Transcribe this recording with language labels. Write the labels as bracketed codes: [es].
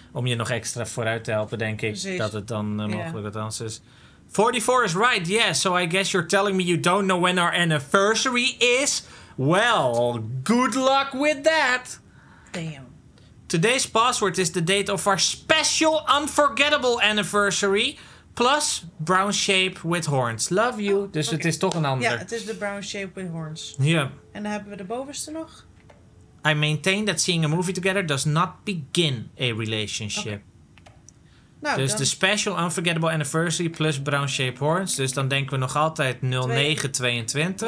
[nl] Om je nog extra vooruit te helpen, denk ik. Precies. Dat het dan mogelijk wat anders is. [en] 44 is right, yeah. So I guess you're telling me you don't know when our anniversary is? Well, good luck with that. Damn. Today's password is the date of our special unforgettable anniversary. Plus brown shape with horns. Love you. [nl] Oh, dus okay. Het is toch een ander. Ja, het is de [en] brown shape with horns. [nl] Ja. Yeah. En dan hebben we de bovenste nog. [en] I maintain that seeing a movie together does not begin a relationship. [nl] Okay. Nou, dus dan... [en] de special unforgettable anniversary plus brown shape horns. [nl] Dus dan denken we nog altijd 0922.